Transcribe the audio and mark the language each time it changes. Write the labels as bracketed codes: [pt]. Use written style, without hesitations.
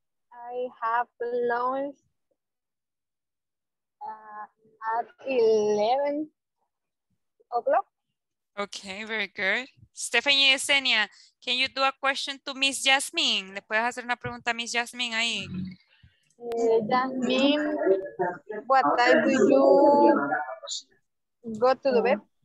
[en] I have lunch at 11 o'clock. Okay, very good. Stephanie Yesenia, can you do a question to Miss Jasmine? [es] ¿Le puedes hacer una pregunta a Miss Jasmine ahí? [en] Jasmine, what time do you go to the bed?